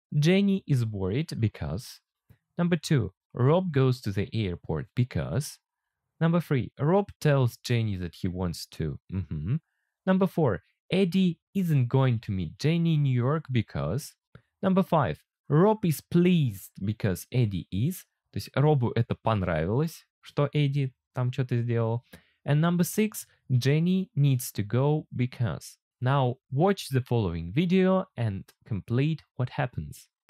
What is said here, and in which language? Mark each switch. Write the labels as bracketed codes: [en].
[en] Jenny is worried because. Number 2. Rob goes to the airport because. Number 3. Rob tells Jenny that he wants to. Number 4. Eddie isn't going to meet Jenny in New York because. Number 5. Rob is pleased because Eddie is. [ru] То есть Робу это понравилось, что Эдди там что-то сделал. [en] And number 6. Jenny needs to go because. Now watch the following video and complete what happens.